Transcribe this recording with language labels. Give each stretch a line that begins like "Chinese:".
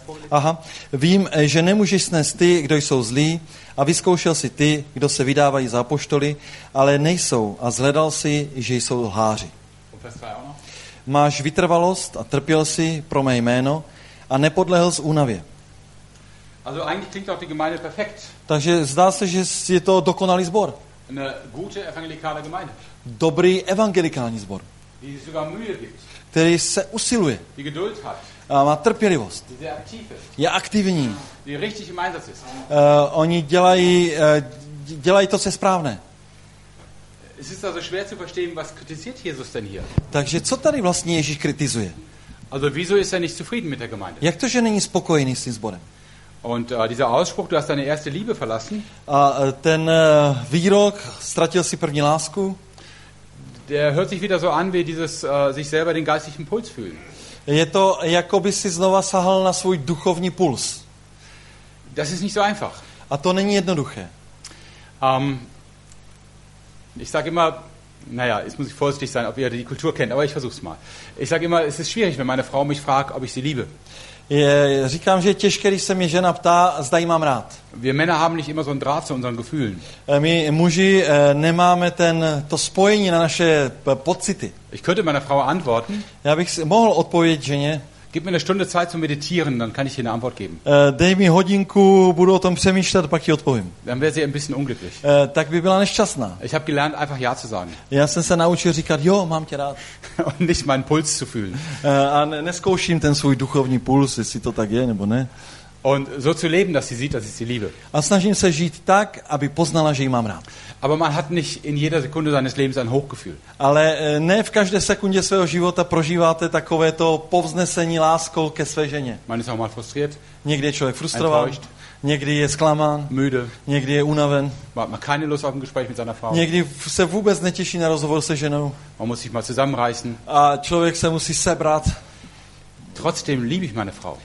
Czech: Aha, vím, že nemůžeš snést ty, kdo jsou zlí, a vyzkoušel si ty, kdo se vydávají za apoštoly, ale nejsou, a zhledal si, že jsou lháři. Máš vytrvalost a trpěl si pro mé jméno a nepodlehl z únavě.
German: Also eigentlich klingt auch die Gemeinde perfekt.
Czech: Takže zdá se, že je to dokonalý sbor.
German: Eine gute evangelikale Gemeinde.
Czech: Dobrý evangelikální sbor.
German: Die sich sogar Mühe gibt.
Czech: Který se usiluje.
German: Die Geduld hat.
Czech: A má trpělivost.
German: Die sehr aktiv ist.
Czech: Je aktivní.
German: Die richtig im Einsatz ist.
Czech: Oni dělají to, co je správné.
German: Es ist also schwer zu verstehen, was kritisiert Jesus denn hier.
Czech: Takže co tady vlastně Ježíš kritizuje?
German: Also wieso ist er nicht zufrieden mit der Gemeinde?
Czech: Jak to, že není spokojený s tím sborem?
German: Und dieser Ausspruch, du hast deine erste Liebe verlassen.
Czech: Ten výrok, ztratil si první lásku.
German: Der hört sich wieder so an, wie dieses sich selber den geistlichen Puls fühlen.
Czech: Je to, jako by si znova sahal na svůj duchovní puls.
German: Das ist nicht so einfach.
Czech: A to není jednoduché.
German: Ich sage immer, naja, jetzt muss ich vorsichtig sein, ob ihr die Kultur kennt, aber ich versuch's mal. Ich sage immer, es ist schwierig, wenn meine Frau mich fragt, ob ich sie liebe.
Czech: Říkám, že je těžké, když se mě žena ptá, zda jí mám rád.
German: Wir Männer haben nicht immer so einen Draht zu unseren Gefühlen.
Czech: My muži nemáme to spojení na naše pocity.
German: Ich könnte meiner Frau antworten.
Czech: Já bych mohl odpovědět ženě.
German: Gib mir eine Stunde Zeit zu meditieren, dann kann ich dir eine Antwort geben.
Czech: Dej mi hodinku, budu o tom přemýšlet, pak ti odpovím.
German: Dann wäre sie ein bisschen unglücklich.
Czech: Tak by byla nešťastná.
German: Ich habe gelernt, einfach ja zu sagen.
Czech: Já jsem se naučil říkat, jo, mám tě rád.
German: Und nicht meinen Puls zu fühlen.
Czech: A neskouším ten svůj duchovní puls, jestli to tak je, nebo ne.
German: Und so zu leben, dass sie sieht, dass ich sie liebe.
Czech: A snažím se žít tak, aby poznala, že ji mám rád.
German: Aber man hat nicht in jeder Sekunde seines Lebens ein Hochgefühl.
Czech: Ale ne v každé sekundě svého života prožíváte takové to povznesení láskou ke své ženě.
German: Man ist auch mal frustriert.
Czech: Někdy je člověk frustrovaný. Někdy je zklamán.
German: Müde.
Czech: Někdy je unaven.
German: Man hat keine Lust auf ein Gespräch mit seiner Frau.
Czech: Někdy se vůbec netěší na rozhovor se ženou.
German: Man muss sich mal zusammenreißen.
Czech: A člověk se musí sebrat.
German: Trotzdem liebe ich meine Frau.